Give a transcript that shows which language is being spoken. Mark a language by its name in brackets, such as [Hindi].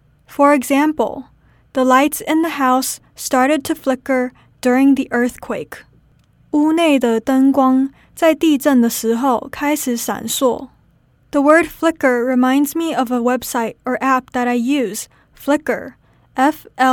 [English] For example, the lights in the house started to flicker during the earthquake. [Chinese] 屋内的灯光在地震的时候开始闪烁。 [English] The word flicker reminds me of a website or app that I use, Flickr, F-L-I-C-K-R.